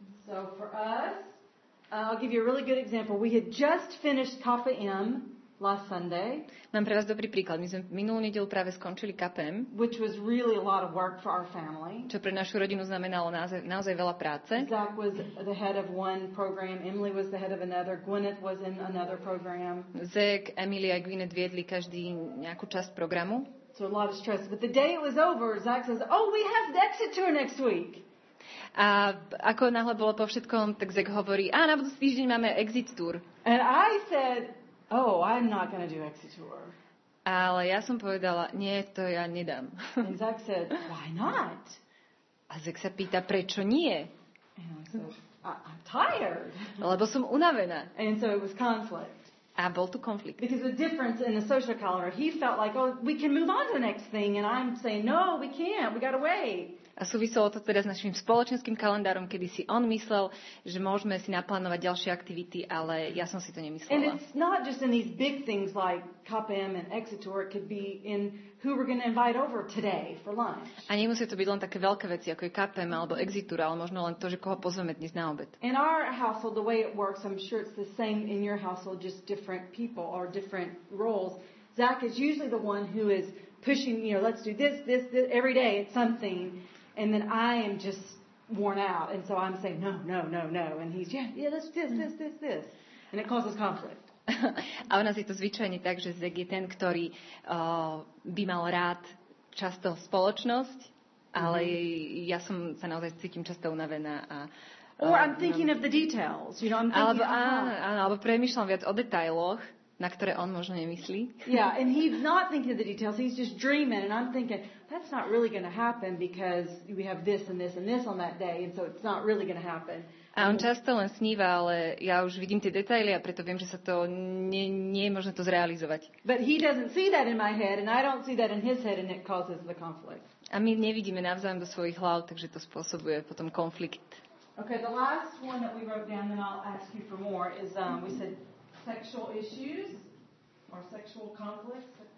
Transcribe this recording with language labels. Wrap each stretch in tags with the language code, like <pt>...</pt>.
<en>So for us, I'll give you a really good example. We had just finished Kappa M last Sunday.</en> <sk>Mám pre vás dobrý príklad. My sme minulú nedeľu práve skončili KPM,</sk> <en>which was really a lot of work for our family.</en> <sk>Čo pre našu rodinu znamenalo naozaj veľa práce.</sk> <en>Zach was the head of one program, Emily was the head of another, Gwyneth was in another program.</en> <sk>Zach, Emily a Gwyneth viedli každý nejakú časť programu.</sk> <en>So a lot of stress. But the day it was over, Zach says, "Oh, we have the exit tour next week."</en> <sk>A ako náhle bolo po všetkom, tak Zach hovorí, "A na budúci týždeň máme exit tour."</sk> <en>And I said, "Oh, I'm not going to do exit tour."</en> <sk>Ale ja som povedala, "Nie, to ja nedám."</sk> <en>And Zach said, "Why not?"</en> <sk>A Zach sa pýta, "Prečo nie?"</sk> <en>And I said, "I'm tired."</en> <sk>Lebo som unavená.</sk> <en>And so it was conflict.</en> <sk>A bol tu konflikt.</sk> <en>Because the difference in the social calendar, he felt like, "Oh, we can move on to the next thing," and I'm saying, "No, we can't. We got to wait."</en> <sk>A súviselo to teda s našim spoločenským kalendárom, kedy si on myslel, že môžeme si naplánovať ďalšie aktivity, ale ja som si to nemyslela.</sk> <en>And it's not just in these big things like KPM and exit tour, it could be in who we're going to invite over today for lunch.</en> <sk>A nemusí to byť len také veľké veci ako je KPM alebo exit tour, ale možno len to, že koho pozveme dnes na obed.</sk> <en>In our household, the way it works, I'm sure it's the same in your household, just different people or different roles. Zach is usually the one who is pushing, you know, let's do this, this, this every day, it's something, and then I am just worn out, and so I'm saying no, and he's yeah, let's do this, and it causes conflict.</en> <sk>A u nás je to zvyčajne tak, že Zach je ten, ktorý by mal rád často spoločnosť, ale ja som sa naozaj cítim často unavená.</sk> <en>Or I'm thinking of the details. You know, I'm thinking,</en> <sk>alebo premýšľam viac o detailoch, na ktoré on možno nemyslí.</sk> <en>Yeah, and he's not thinking of the details. He's just dreaming, and I'm thinking, that's not really going to happen because we have this and this and this on that day, and so it's not really going to happen.</en> <sk>A on často len sníva, ale ja už vidím tie detaily a preto viem, že sa to nie je možné to zrealizovať.</sk> <en>But he doesn't see that in my head and I don't see that in his head and it causes the conflict.</en> <sk>A my nevidíme navzájom do svojich hlav, takže to spôsobuje potom konflikt.</sk> <en>Okay, the last one that we wrote down and I'll ask you for more is we said sexual issues or sexual conflicts.</en>